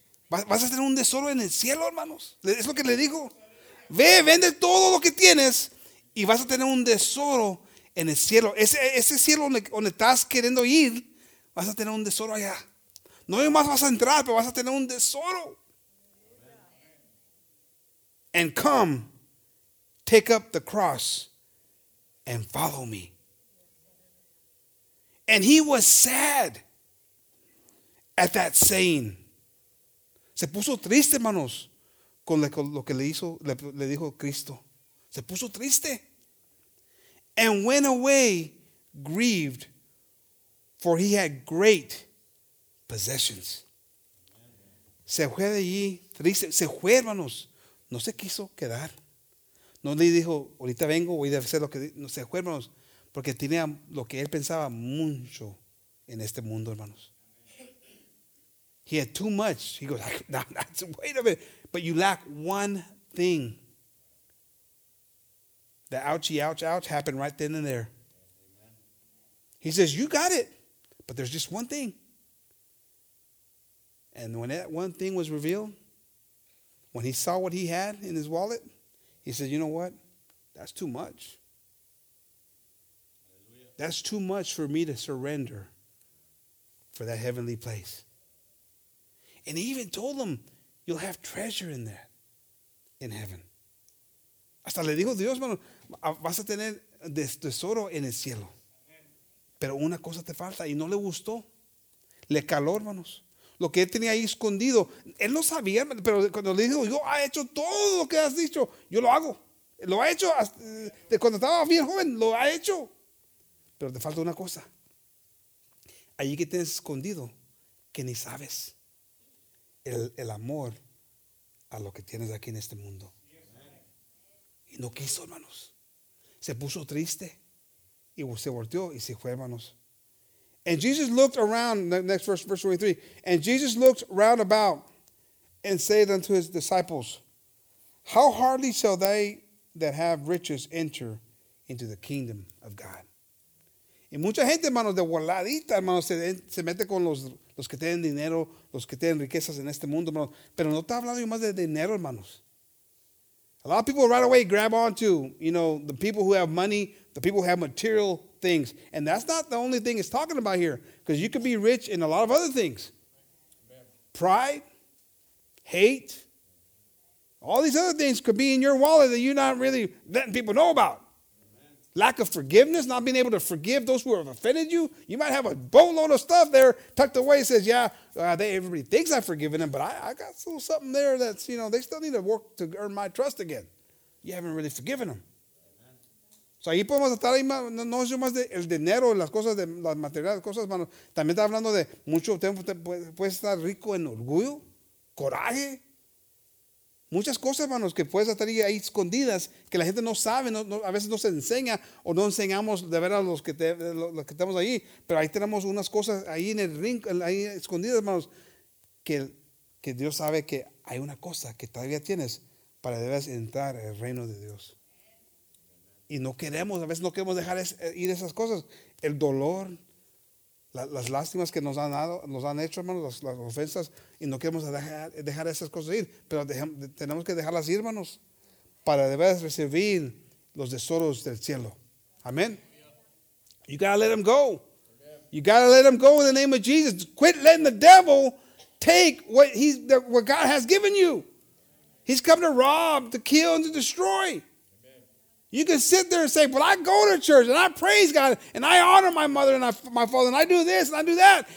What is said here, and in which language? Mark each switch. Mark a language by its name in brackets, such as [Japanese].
[Spanish] Vas a tener un tesoro en el cielo, hermanos. Es lo que le digo. Ve, vende todo lo que tienes y vas a tener un tesoro en el cielo. Ese cielo donde estás queriendo ir, vas a tener un tesoro allá. No más vas a entrar, pero vas a tener un tesoro. [English] And come, take up the cross and follow me. And he was sad at that saying. [Spanish] Se puso triste, hermanos, con lo que le dijo Cristo. Se puso triste. [English] And went away grieved, for he had great possessions. [Spanish] Se fue de allí triste. Se fue, hermanos. No se quiso quedar. No le dijo, ahorita vengo, voy a hacer lo que... No se fue, hermanos, porque tenía lo que él pensaba mucho en este mundo, hermanos. [English] He had too much. He goes, nah, wait a minute. But you lack one thing. The ouchy, ouch, ouch happened right then and there. He says, you got it. But there's just one thing. And when that one thing was revealed, when he saw what he had in his wallet, he said, you know what? That's too much. Hallelujah. That's too much for me to surrender for that heavenly place. And he even told them, you'll have treasure in there, in heaven. [Spanish] Hasta le dijo Dios, mano, vas a tener tesoro en el cielo. Pero una cosa te falta. Y no le gustó. Le caló, hermanos. lo que él tenía ahí escondido. Él no sabía, pero cuando le dijo, yo ha hecho todo lo que has dicho, yo lo hago. Lo ha hecho hasta cuando estaba bien joven, lo ha hecho. Pero te falta una cosa. Allí que tienes escondido, que ni sabes. El amor a lo que tienes aquí en este mundo. Y no quiso, hermanos. Se puso triste y se volteó y se fue, hermanos. [English] And Jesus looked around, next verse, verse 23. And Jesus looked round about and said unto his disciples, how hardly shall they that have riches enter into the kingdom of God? [Spanish] Y mucha gente, hermanos, de voladita, hermanos, se mete con los que tienen dinero, los que tienen riquezas en este mundo, hermanos. Pero no está hablando yo más de dinero, hermanos. [English] A lot of people right away grab onto, you know, the people who have money, the people who have material things. And that's not the only thing it's talking about here, because you could be rich in a lot of other things. Pride, hate, all these other things could be in your wallet that you're not really letting people know about. Lack of forgiveness, not being able to forgive those who have offended you. You might have a boatload of stuff there tucked away. It says, everybody thinks I've forgiven them, but I got a little something there that's, you know, they still need to work to earn my trust again. You haven't really forgiven them. [Spanish] So ahí podemos estar ahí, no es más de el dinero, las cosas, de las materiales, cosas, hermanos. También está hablando de mucho tiempo, puedes estar rico en orgullo, coraje. Muchas cosas, hermanos, que puedes estar ahí escondidas, que la gente no sabe, no, a veces no se enseña o no enseñamos de ver a los que estamos ahí. Pero ahí tenemos unas cosas ahí en el ring, ahí escondidas, hermanos, que Dios sabe que hay una cosa que todavía tienes para debes entrar en el reino de Dios. Y no queremos, a veces no queremos dejar ir esas cosas. El dolor, las lástimas que nos han dado, nos han hecho, hermanos, las ofensas. Y no queremos dejar esas cosas ir. Pero tenemos que dejarlas ir, hermanos, para de veras recibir los tesoros del cielo. [English] Amén. You got to let them go. You got to let them go in the name of Jesus. Quit letting the devil take what God has given you. He's come to rob, to kill, and to destroy. You can sit there and say, but I go to church and I praise God and I honor my mother and my father and I do this and I do that.